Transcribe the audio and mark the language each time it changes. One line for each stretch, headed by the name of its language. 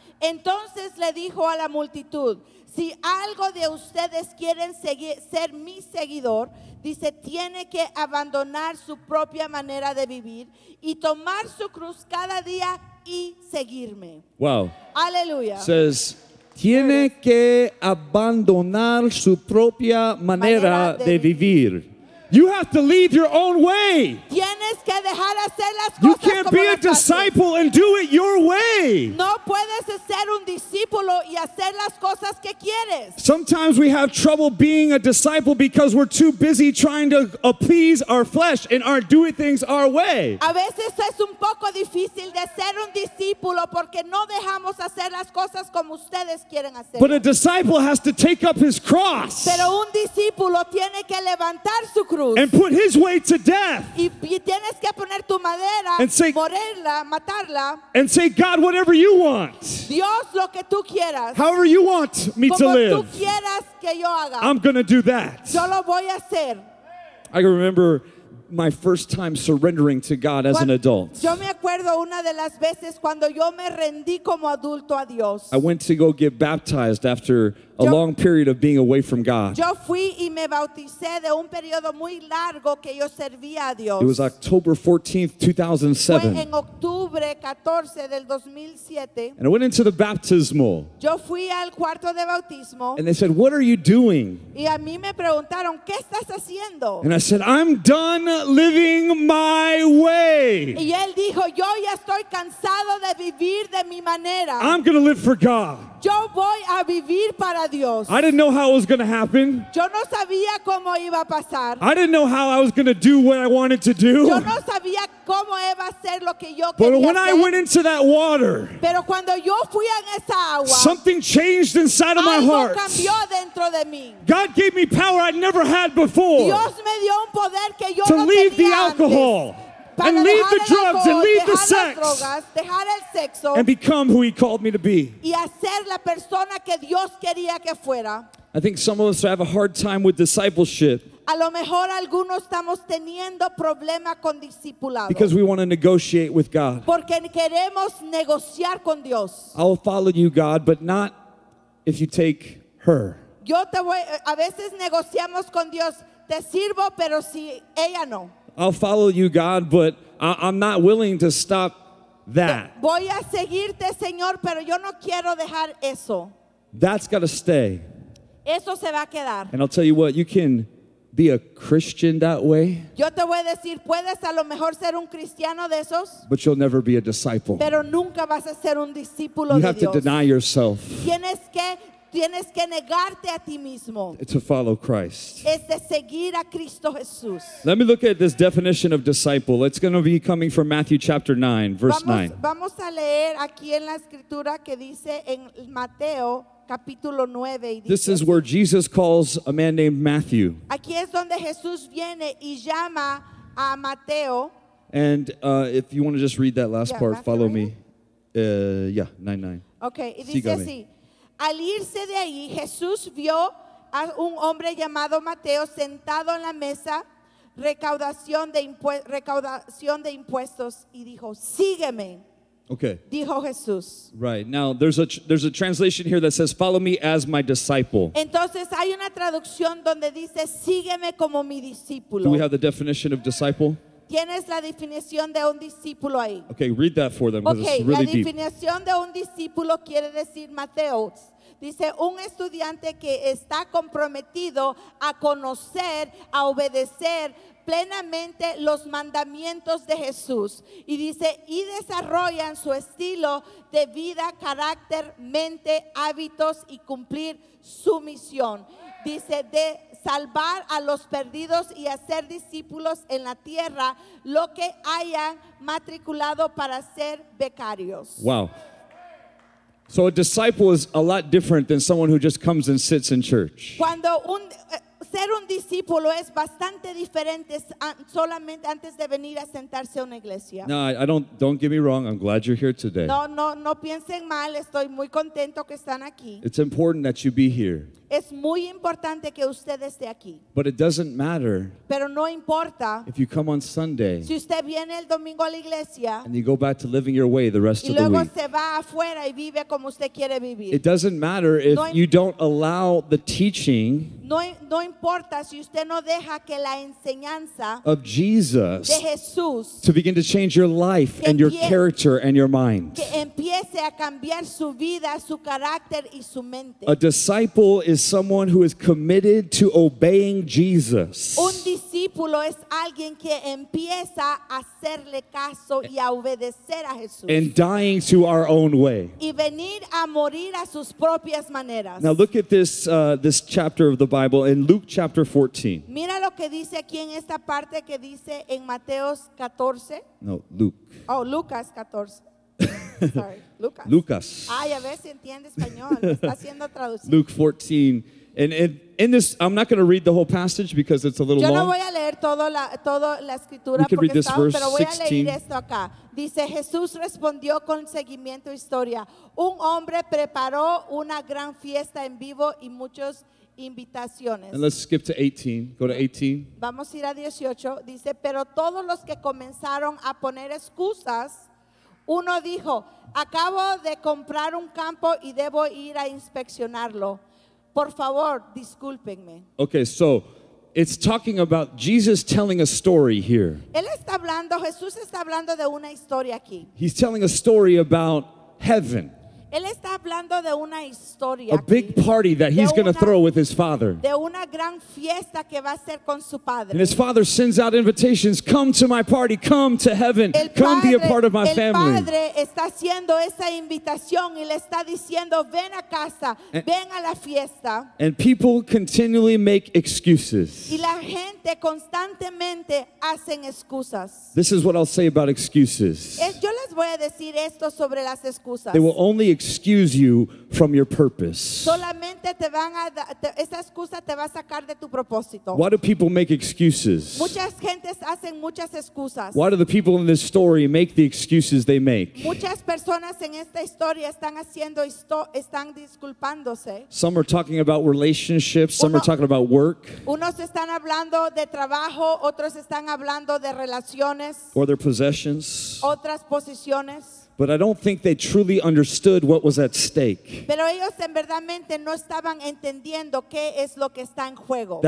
Spanish: Entonces le dijo a la multitud, si algo de ustedes quieren ser mi seguidor, dice, tiene que abandonar su propia manera de vivir y tomar su cruz cada día y seguirme.
English: Wow.
Spanish: Aleluya. Says, tiene que abandonar su propia manera de vivir.
English: You have to leave your own way.
Spanish: Tienes que dejar hacer las cosas.
English: You can't be a disciple and do it your way.
Spanish: No puedes ser un discípulo y hacer las cosas que quieres.
English: Sometimes we have trouble being a disciple because we're too busy trying to appease our flesh and are doing things our way.
Spanish: A veces es un poco difícil de ser un discípulo porque no dejamos hacer las cosas como ustedes quieren hacer.
English: But a disciple has to take up his cross.
Spanish: Pero un discípulo tiene que levantar su
English: and put his way to death.
Spanish: Y tienes que poner tu madera,
English: and say,
Spanish: morirla, matarla,
English: and say, God, whatever you want.
Spanish: Dios, lo que tú quieras,
English: however you want me
Spanish: como
English: to live.
Spanish: Tú quieras que yo haga,
English: I'm going to do that.
Spanish: Yo lo voy a hacer.
English: I can remember my first time surrendering to God as an adult.
Spanish: Yo me acuerdo una de las veces cuando yo me rendí como adulto a Dios.
English: I went to go get baptized after a long period of being away from God.
Spanish: Yo fui y me bauticé de un periodo muy largo que yo servía a Dios.
English: It was October 14th, 2007.
Spanish: Fue en octubre 14 del 2007.
English: And I went into the baptismal.
Spanish: Yo fui al cuarto de bautismo.
English: And they said, "What are you doing?"
Spanish: Y a mí me preguntaron, "¿Qué estás haciendo?"
English: And I said, "I'm done living my way."
Spanish: Y él dijo, "Yo ya estoy cansado de vivir de mi manera."
English: I'm going to live for God.
Spanish: Yo voy a vivir para Dios.
English: I didn't know how it was going to happen.
Spanish: Yo no sabía cómo iba a pasar.
English: I didn't know how I was going to do what I wanted to do.
Spanish: Yo no sabía cómo iba a hacer lo que yo quería.
English: But when
Spanish: hacer,
English: I went into that water,
Spanish: pero cuando yo fui en esa agua,
English: something changed inside of my heart.
Spanish: Algo cambió dentro de mí.
English: God gave me power I'd never had before.
Spanish: Dios me dio un poder que yo
English: to
Spanish: no
English: leave
Spanish: tenía
English: the alcohol.
Spanish: Antes.
English: And leave the drugs and leave the sex
Spanish: dejar el sexo,
English: and become who he called me to be.
Spanish: Y hacer la persona que Dios quería que fuera.
English: I think some of us have a hard time with discipleship.
Spanish: A lo mejor algunos estamos teniendo problema con discipulado.
English: Because we want to negotiate with God.
Spanish: Porque queremos negociar con Dios.
English: I'll follow you, God, but not if you take her.
Spanish: Yo te voy, a veces negociamos con Dios, te sirvo, pero si ella no.
English: I'll follow you, God, but I'm not willing to stop that.
Spanish: Voy a seguirte, Señor, pero yo no quiero dejar eso.
English: That's got to stay.
Spanish: Eso se va a quedar.
English: And I'll tell you what, you can be a Christian that way.
Spanish: Yo te voy a decir, puedes a lo mejor ser un cristiano de esos.
English: But you'll never be a disciple.
Spanish: Pero nunca vas a ser un discípulo de Dios.
English: You have to deny yourself.
Spanish: Tienes que negarte a ti mismo.
English: To follow Christ.
Spanish: Es de seguir a Cristo Jesús.
English: Let me look at this definition of disciple. It's going to be coming from Matthew chapter 9, verse 9.
Spanish: Vamos a leer aquí en la escritura que dice en Mateo.
English: This is where Jesus calls a man named Matthew.
Spanish: Aquí es donde Jesús viene y llama a Mateo.
English: And if you want to just read that last part, Matthew, follow me. Yeah, 9:9.
Spanish: Okay, y dice así. Al irse de ahí, Jesús vio a un hombre llamado Mateo sentado en la mesa recaudación de impuestos y dijo, sígueme.
English: Okay.
Spanish: Dijo Jesús.
English: Right. Now, there's a translation here that says, follow me as my disciple.
Spanish: Entonces, hay una traducción donde dice, sígueme como mi discípulo.
English: Do we have the definition of disciple?
Spanish: Tienes la definición de un discípulo ahí.
English: Okay, read that for them because okay, it's really
Spanish: deep. La definición
English: deep.
Spanish: De un discípulo quiere decir, Mateo, dice, un estudiante que está comprometido a conocer, a obedecer, plenamente los mandamientos de Jesús y dice y desarrollan su estilo de vida, carácter, mente, hábitos y cumplir su misión. Dice de salvar a los perdidos y hacer discípulos en la tierra lo que hayan matriculado para ser becarios.
English: Wow. So a disciple is a lot different than someone who just comes and sits in church.
Spanish: Cuando un ser un discípulo es bastante diferente solamente antes de venir a sentarse a una iglesia.
English: No, I don't get me wrong. I'm glad you're here today.
Spanish: No piensen mal. Estoy muy contento que están aquí.
English: It's important that you be here.
Spanish: Es muy importante que usted esté aquí.
English: But it doesn't matter.
Spanish: Pero no importa.
English: If you come on Sunday.
Spanish: Si usted viene el domingo a la iglesia.
English: And you go back to living your way the rest of the
Spanish: week. Y luego se va afuera y vive como usted quiere vivir.
English: It doesn't matter if you don't allow the teaching.
Spanish: No importa si usted no deja que la enseñanza
English: of Jesus
Spanish: de Jesús
English: to begin to change your life and your character and your mind.
Spanish: Que empiece a cambiar su vida, su carácter y su mente.
English: A disciple is someone who is committed to obeying Jesus.
Spanish: Un discípulo es alguien que empieza a hacerle caso y a obedecer a Jesús.
English: And dying to our own way.
Spanish: Y venir a morir a sus propias maneras.
English: Now look at this this chapter of the Bible in Luke chapter 14.
Spanish: Mira lo que dice aquí en esta parte que dice en Mateos 14.
English: No, Luke.
Spanish: Oh, Lucas 14. Sorry, Lucas. Lucas. Ay, a ver si entiende español. Está haciendo traducción.
English: Luke 14. And in this, I'm not going to read the whole passage because it's a little
Spanish: yo
English: long.
Spanish: Yo no voy a leer toda la escritura porque está, pero voy 16. A leer esto acá. Dice, Jesús respondió con seguimiento historia. Un hombre preparó una gran fiesta en vivo y muchos invitaciones.
English: And let's skip to 18. Go to 18.
Spanish: Vamos a ir a 18. Dice, pero todos los que comenzaron a poner excusas. Uno dijo, acabo de comprar un campo y debo ir a inspeccionarlo. Por favor, discúlpenme.
English: Okay, so it's talking about Jesus telling a story here.
Spanish: Él está hablando, Jesús está hablando de una historia aquí.
English: He's telling a story about heaven.
Spanish: Él está hablando de una historia.
English: A big party that he's going to throw with his father.
Spanish: De una gran fiesta que va a hacer con su padre.
English: And his father sends out invitations. Come to my party. Come to heaven.
Spanish: El padre,
English: come be a part of my
Spanish: el
English: family.
Spanish: El padre está haciendo esa invitación y le está diciendo, ven a casa, ven a la fiesta.
English: And people continually make excuses.
Spanish: Y la gente constantemente hacen excusas.
English: This is what I'll say about excuses.
Spanish: Yo les voy a decir esto sobre las excusas.
English: They will only excuse excuse you from your purpose.
Spanish: Solamente te van a esa excusa te va a sacar de tu propósito.
English: Why do people make excuses?
Spanish: Muchas gentes hacen muchas excusas.
English: Why do the people in this story make the excuses they make?
Spanish: Muchas personas en esta historia están haciendo están disculpándose.
English: Some are talking about relationships, some are talking about work.
Spanish: Unos están hablando de trabajo, otros están hablando de relaciones.
English: Or their possessions.
Spanish: Otras posiciones.
English: But I don't think they truly understood what was at stake.
Spanish: Pero ellos en verdaderamente no estaban entendiendo qué es lo que está en juego.